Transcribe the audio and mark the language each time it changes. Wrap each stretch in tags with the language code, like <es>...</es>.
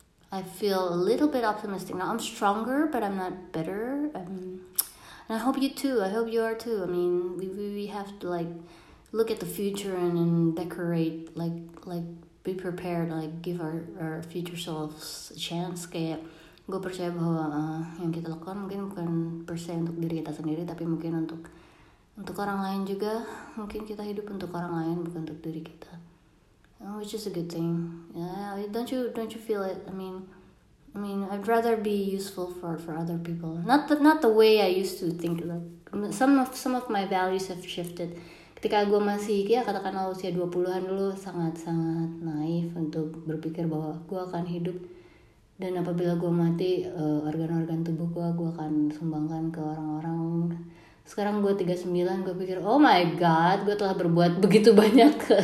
<en>I feel a little bit optimistic now. I'm stronger, but I'm not better. And I hope you too. I hope you are too. I mean, we have to like look at the future and decorate, like be prepared, like give our future selves a chance.</en> <id>Kayak gue percaya bahwa yang kita lakukan mungkin bukan per se untuk diri kita sendiri, tapi mungkin untuk orang lain juga. Mungkin kita hidup untuk orang lain, bukan untuk diri kita.</id> <en>Which is a good thing. Yeah, don't you feel it? I mean, I'd rather be useful for other people. Not the way I used to think. Like, some of my values have shifted.</en> <id>Ketika gue masih, ya katakanlah usia 20-an dulu, sangat-sangat naif untuk berpikir bahwa gue akan hidup, dan apabila gue mati, organ-organ tubuh gue akan sumbangkan ke orang-orang. Sekarang gue 39, gue pikir,</id> <en>oh my god,</en> <id>gue telah berbuat begitu banyak.</id>